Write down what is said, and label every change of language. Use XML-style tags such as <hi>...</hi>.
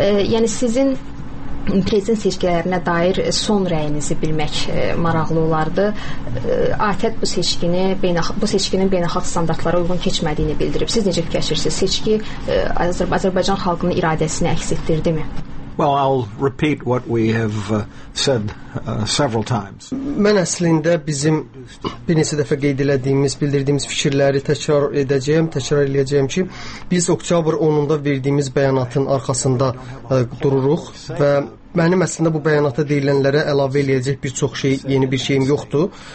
<az>Yəni sizin prezident seçkilərinə dair son rəyinizi bilmək maraqlı olardı. ATƏT bu seçkinin beynəlxalq standartlara uyğun keçmədiyini bildirib. Siz necə fikirləşirsiniz? Seçki Azərbaycan xalqının iradəsini əks etdirdi mi?</az> <en>Well, I'll repeat what we have said several times.</en> <az>Mən əslində bizim bir neçə dəfə qeyd elədiyimiz, bildirdiyimiz fikirləri təkrar edəcəyəm, təkrar eləyəcəyəm ki, biz oktyabr 10-da verdiyimiz bəyanatın arxasında dururuq və mənim əslində bu bəyanata deyilənlərə əlavə eləyəcək bir çox şey, yeni bir şeyim yoxdur.</az>